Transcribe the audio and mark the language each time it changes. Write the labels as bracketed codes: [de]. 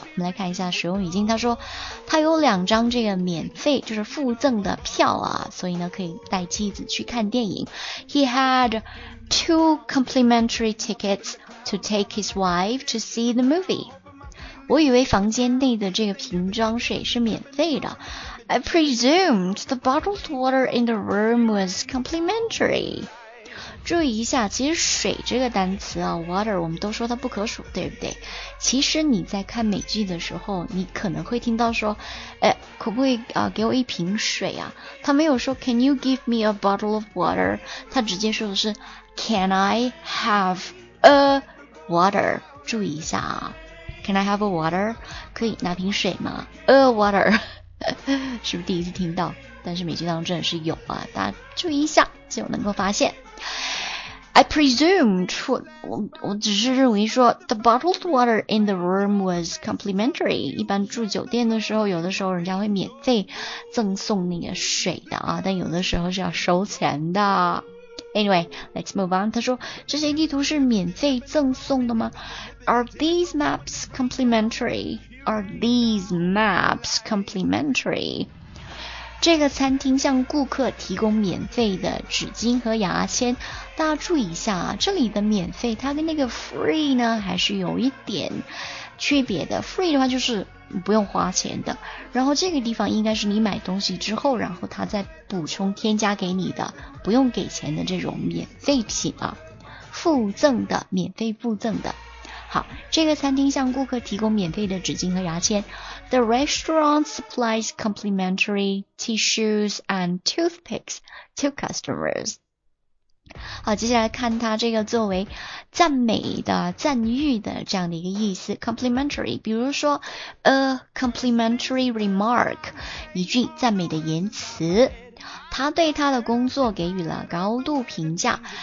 [zh] 我们来看一下使用语境，他说他有两张这个免费就是附赠的票啊，所以呢可以带妻子去看电影。 [en] He had two complimentary tickets to take his wife to see the movie. [zh] 我以为房间内的这个瓶装水是免费的。 [en] I presumed the bottled water in the room was complimentary. [zh] 注意一下，其实水这个单词啊 ，water， 我们都说它不可数，对不对？其实你在看美剧的时候，你可能会听到说，哎，可不可以啊，给我一瓶水啊？他没有说 [en] Can you give me a bottle of water? [zh] 他直接说的是 [en] Can I have a water? [zh] 注意一下啊 ， [en] Can I have a water? [zh] 可以拿瓶水吗 ？ [en] A water。 [zh] 是不是第一次听到，但是美剧当中真的是有啊，大家注意一下就能够发现。 [en] I presumed [zh] 我只是认为说 [en] The bottled water in the room was complimentary. [zh] 一般住酒店的时候，有的时候人家会免费赠送那个水的啊，但有的时候是要收钱的。 [en] Anyway, let's move on. [zh] 他说这些地图是免费赠送的吗？ [en] Are these maps complimentary? Are these maps complimentary? [zh] 这个餐厅向顾客提供免费的纸巾和牙签。大家注意一下啊，这里的免费它跟那个 free 呢还是有一点区别的。 free 的话就是不用花钱的，然后这个地方应该是你买东西之后，然后它再补充添加给你的，不用给钱的这种免费品啊，附赠的，免费附赠的。好，这个餐厅向顾客提供免费的纸巾和牙签。 [en] The restaurant supplies complimentary tissues and toothpicks to customers. [zh] 好，接下来看它这个作为赞美的、赞誉的这样的一个意思。 Complimentary， 比如说 [en] a complimentary remark， [zh] 一句赞美的言辞。他对他的工作给予了高度评价。